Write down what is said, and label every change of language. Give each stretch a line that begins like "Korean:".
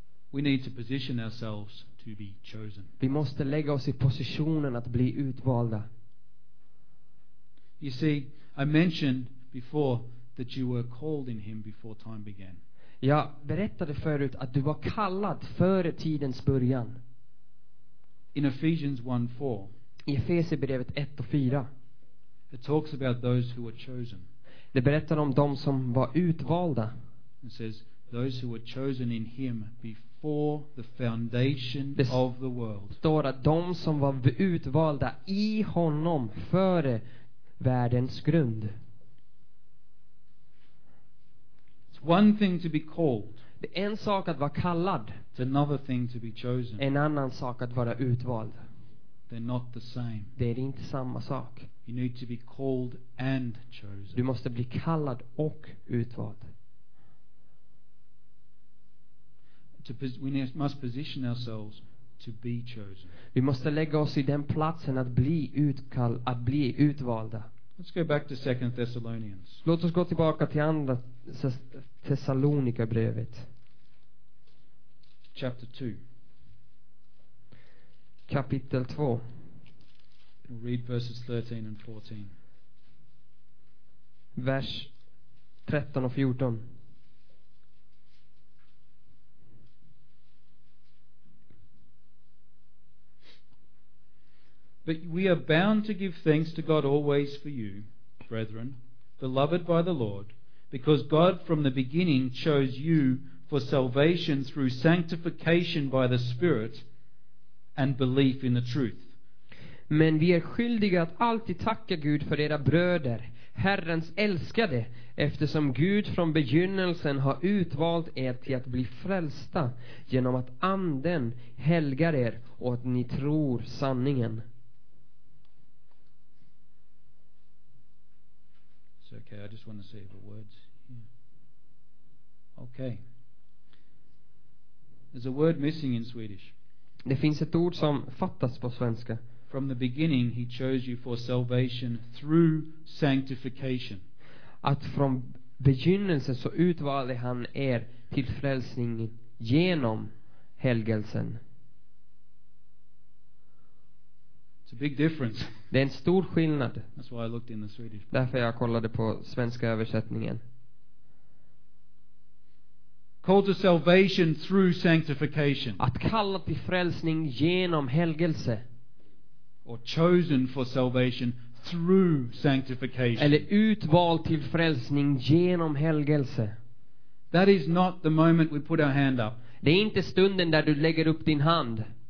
English: We need to position ourselves to be chosen.
Swedish: Vi måste lägga oss i positionen att bli utvalda.
English: You see, I mentioned before that you were called in him before time began.
Swedish: Jag berättade förut att du var kallad före tidens början.
English: In Ephesians 1:4.
Swedish: I Efesierbrevet 1:4.
English: It talks about those who were chosen.
Swedish: Det berättar om de som var utvalda.
English: It says those who were chosen in him before the foundation of the world.
Swedish: Det står att de som var utvalda i honom före världens grund.
English: It's one thing to be called.
Swedish: Det är en sak att vara kallad.
English: It's another thing to be chosen.
Swedish: En annan sak att vara utvald.
English: They're not the same.
Swedish: Det är inte samma sak.
English: You need to be called and chosen.
Swedish: Du måste bli kallad och utvald.
English: We must position ourselves to be chosen.
Swedish: Vi måste lägga oss i den platsen att bli att bli utvalda.
English: Let's go back to 2 Thessalonians.
Swedish: Låt oss gå tillbaka till andra Thessalonikerbrevet.
English: Chapter 2.
Swedish: Kapitel 2.
English: We'll read verses 13 and 14.
Swedish: Vers 13 och 14.
English: But we are bound to give thanks to God always for you, brethren, beloved by the Lord, because God from the beginning chose you for salvation through sanctification by the Spirit and belief in the truth.
Swedish: Men vi är skyldiga att alltid tacka Gud för era bröder, Herrens älskade, eftersom Gud från begynnelsen har utvalt er till att bli frälsta genom att anden helgar er och att ni tror sanningen.
English: Okay, I just want to say the words. Yeah. Okay. There's a word missing in Swedish.
Swedish: Det finns ett ord som fattas på svenska.
English: From the beginning he chose you for salvation through sanctification.
Swedish: Att från begynnelsen så utvalde han er till frälsningen genom helgelsen.
English: It's a big difference.
Swedish: Det är en stor skillnad.
English: That's why I looked in the Swedish.
Swedish: Därför jag kollade på svenska översättningen.
English: Called to salvation through sanctification.
Swedish: Att kalla till frälsning genom helgelse.
English: Or chosen for salvation through sanctification.
Swedish: Eller utvald till frälsning genom helgelse.
English: That is not the moment we put our hand up.
Swedish: Det är inte stunden där du lägger upp din hand.